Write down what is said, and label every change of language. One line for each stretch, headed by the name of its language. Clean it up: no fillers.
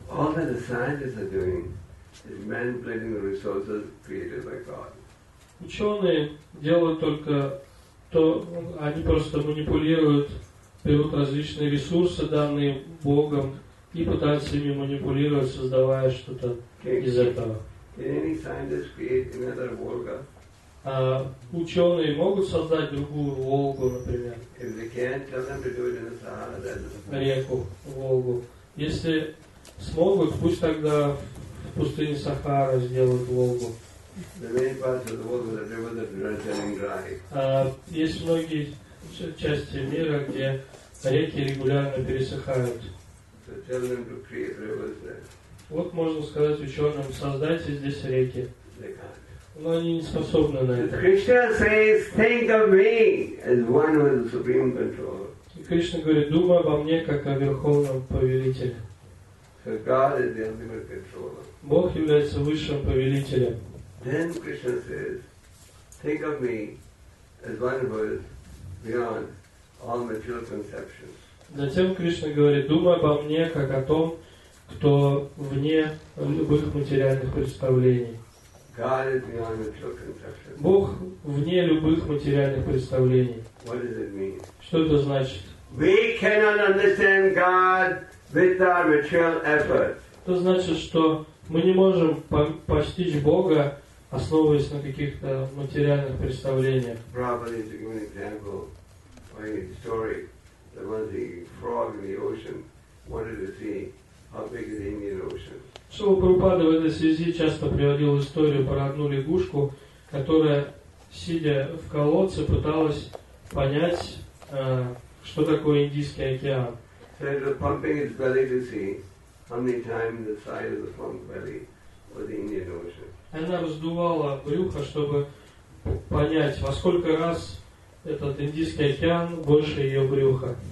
English: All that the scientists are doing is manipulating the resources created by God.
Russian: Ученые делают только то, они просто манипулируют, берут различные ресурсы, данные Богом, и пытаются ими манипулировать, создавая что-то из этого.
English: Can any scientist create another Volga?
Russian: Ученые могут создать другую Волгу, например.
English: If they can't, tell them to do it in the Sahara, then...
Russian: Реку, Волгу. Если смогут, пусть тогда в пустыне Сахара сделают Волгу.
English: The main parts of the world are rivers that are running dry.
Russian: Есть многие части мира, где реки регулярно пересыхают.
English: So tell them to create rivers there.
Russian: Вот можно сказать ученым, создайте здесь реки.
English: They can't.
Russian: Но они не способны на это.
English: Krishna says, think of me as one with the supreme control.
Russian: Кришна говорит, думай обо мне как о верховном повелителе.
English: So God is the ultimate controller.
Russian: Бог является высшим повелителем.
English: Then Krishna says, think of me as one who is beyond all material conceptions.
Russian: Затем Кришна говорит, думай обо мне как о том, кто вне любых материальных представлений.
English: God is beyond material conceptions.
Russian: Бог вне любых материальных представлений.
English: What does it mean?
Russian: Что это значит?
English: We cannot understand God with our material effort.
Russian: Это значит, что мы не можем постичь Бога, основываясь на каких-то материальных представлениях.
English: Prabhupada is giving an example by his story. There was a frog in the ocean. What did it see? How big is the Indian Ocean?
Russian: Шрила Прабхупада в этой связи часто приводил историю про одну лягушку, которая, сидя в колодце, пыталась понять, что такое Индийский океан.
English: So it was pumping its belly to see how many times the size of the pump belly was the Indian Ocean.
Russian: Она раздувала брюхо, чтобы понять, во сколько раз этот Индийский океан больше ее брюха.